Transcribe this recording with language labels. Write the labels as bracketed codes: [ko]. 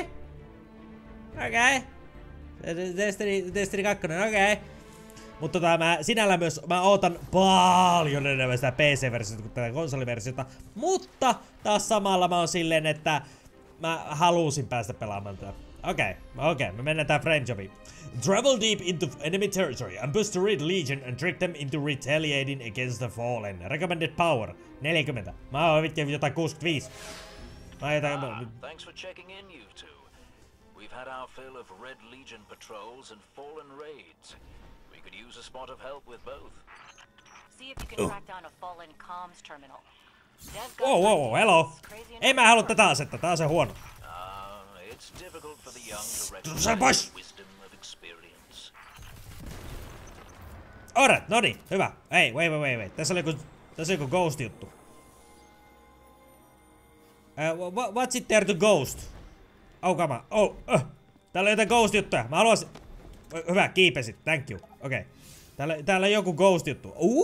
[fi] Okay. Okei. Okay. Destiny 2, okei. Okay. Mutta tota, mä ootan paljon enemmän sitä PC-versiota kuin tätä konsoliversiota. Mutta taas samalla mä oon silleen, että mä halusin päästä pelaamaan tätä. Okei, me mennään tää frame jobiin. [en] Travel deep into enemy territory, ambush the Red Legion and trick them into retaliating against the Fallen. Recommended power, [fi] 40. Mä oon vittu jotain 65. [en] Thanks for checking in, you two. We've had our fill of Red Legion patrols and Fallen raids. Could use a spot of help with both. See if you can track down a fallen comms terminal. Whoa, hello. [fi] Ei mä halua tätä asetta, tää on se huono. [en] It's difficult for the young to recognize the wisdom of experience. [fi] Alright, no niin, hyvä. Hei, wait. Tässä oli joku ghost juttu. [en] What's it there to ghost? Oh, come on. [fi] Täällä on jotain ghost juttuja. Mä haluaisin. Hyvä, kiipesit. [en] Thank you. [fi] Okei. Okay. Täällä on joku ghost juttu.